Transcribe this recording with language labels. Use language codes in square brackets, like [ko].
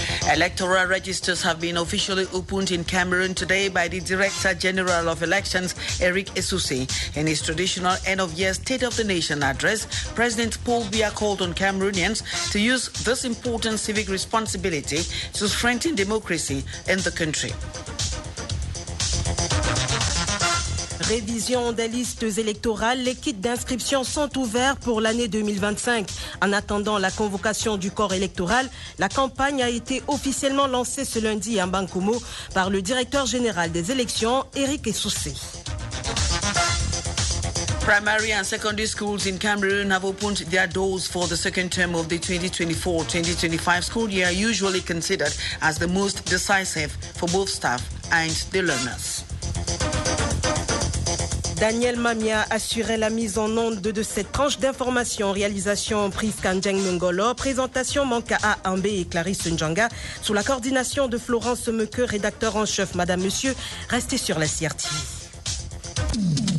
[en] Electoral registers have been officially opened in Cameroon today by the Director General of Elections, Eric Esusi. In his traditional end-of-year State of the Nation address, President Paul Biya called on Cameroonians to use this important civic responsibility to strengthen democracy in the country. [fr] Révision des listes électorales, les kits d'inscription sont ouverts pour l'année 2025. En attendant la convocation du corps électoral, la campagne a été officiellement lancée ce lundi en Bankoumo par le directeur général des élections, Eric Esusi. [en] Primary and secondary schools in Cameroon have opened their doors for the second term of the 2024-2025 school year, usually considered as the most decisive for both staff and the learners. [fr] Daniel Mamia assurait la mise en onde de cette tranche d'information. Réalisation Prisca Njeng Mungolo, présentation Manka A. Ambe et Clarisse Njanga, sous la coordination de Florence Meuque, rédacteur en chef. Madame, monsieur, restez sur la CRTV.